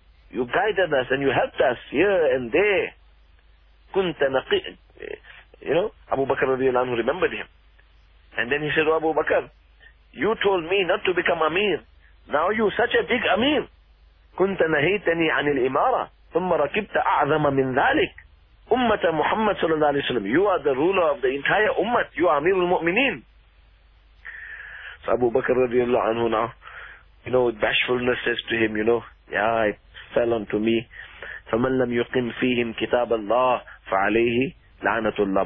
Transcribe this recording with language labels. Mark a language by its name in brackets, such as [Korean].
[English] You guided us and you helped us here and there. [Arabic] Kunta naqi." [English] You know, Abu Bakr radiallahu anhu remembered him. And then he said, "Oh Abu Bakr, you told me not to become Amir. Now you're such a big Amir. [Arabic] Kunta nahitani anil imara. ثم ركبت أعظم من ذلك أمة محمد صلى الله عليه وسلم. [English] You are the ruler of the entire ummah. You are Amir al-Mu'mineen." So Abu Bakr radiallahu anhu now, you know, with bashfulness says to him, you know, "Yeah, it fell onto me. [Arabic] فَمَنْ لَمْ يُقِمْ فِيهِمْ كِتَابَ اللَّهِ فَعَلَيْهِ لَعْنَةُ اللَّهِ."